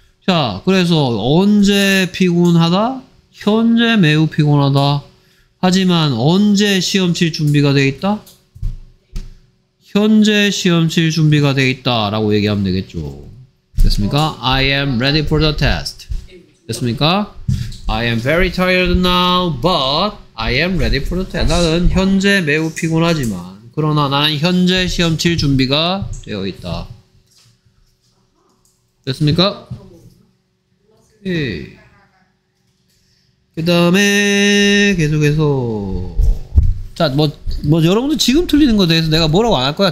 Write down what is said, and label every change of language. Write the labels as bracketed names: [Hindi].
[Korean] 자, 그래서 언제 피곤하다? 현재 매우 피곤하다. 하지만 언제 시험 칠 준비가 돼 있다? 현재 시험 칠 준비가 돼 있다 라고 얘기하면 되겠죠. 됐습니까? [English] I am ready for the test. 됐습니까? I am very tired now, but I am ready for the test. [Korean] 나는 현재 매우 피곤하지만, 그러나 나는 현재 시험 칠 준비가 되어 있다. 됐습니까? 예. 그 다음에 계속해서 자, 뭐 여러분들 지금 틀리는 거에 대해서 내가 뭐라고 안 할 거야.